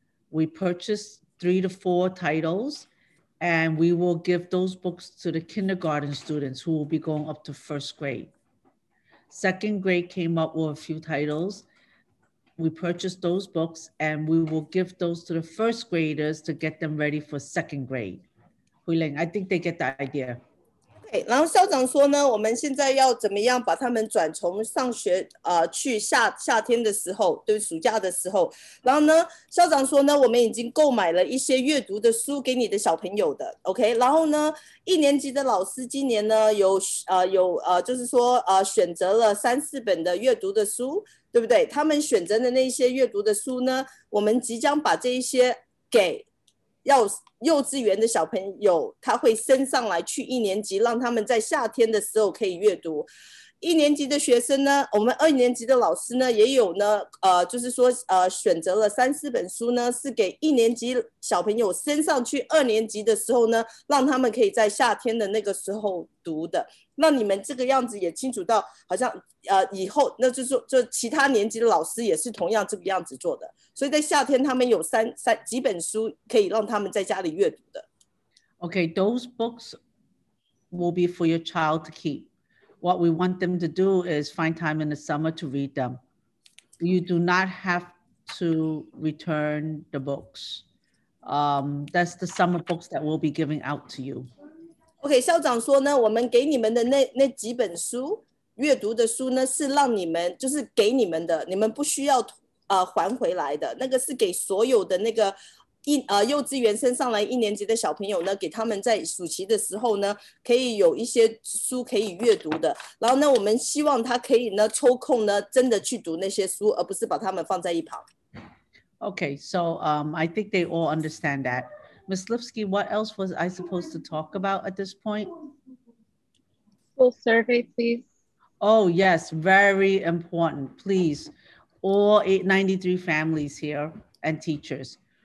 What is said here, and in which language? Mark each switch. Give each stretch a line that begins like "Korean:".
English: We purchased 3 to 4 titles, and we will give those books to the kindergarten students who will be going up to first grade. Second grade came up with a few titles. We purchased those books, and we will give those to the first graders to get them ready for second grade. Huiling, I think they get the idea.
Chinese: 然后校长说呢，我们现在要怎么样把他们转从上学去夏天的时候，对，暑假的时候。然后呢，校长说呢，我们已经购买了一些阅读的书给你的小朋友的 ，OK。然后呢，一年级的老师今年呢选择了3-4本的阅读的书，对不对？他们选择的那些阅读的书呢，我们即将把这一些给。要幼稚园的小朋友他会升上来去一年级，让他们在夏天的时候可以阅读。一年级的学生呢，我们二年级的老师呢也有呢就是说选择了3-4本书呢是给一年级小朋友升上去二年级的时候呢让他们可以在夏天的那个时候读的。那你们这个样子也清楚到好像以后那就是就其他年级的老师也是同样这个样子做的。所以在夏天他们有几本书可以让他们在家里阅读的。
English: Okay, those books will be for your child to keep. What we want them to do is find time in the summer to read them. You do not have to return the books. That's the summer books that we'll be giving out to you.
Chinese: Okay, 校长说呢，我们给你们的那几本书，阅读的书呢是让你们就是给你们的，你们不需要还回来的，那个是给所有的那个幼稚园升上来一年级的小朋友呢，给他们在暑期的时候呢可以有一些书可以阅读的，然后呢我们希望他可以呢抽空呢真的去读那些书，而不是把他们放在一旁。
English: Okay, so I think they all understand that. Ms. Lipsky, what else was I supposed to talk about at this point? School survey, please. Oh yes, very important, please. All 893 families here and teachers.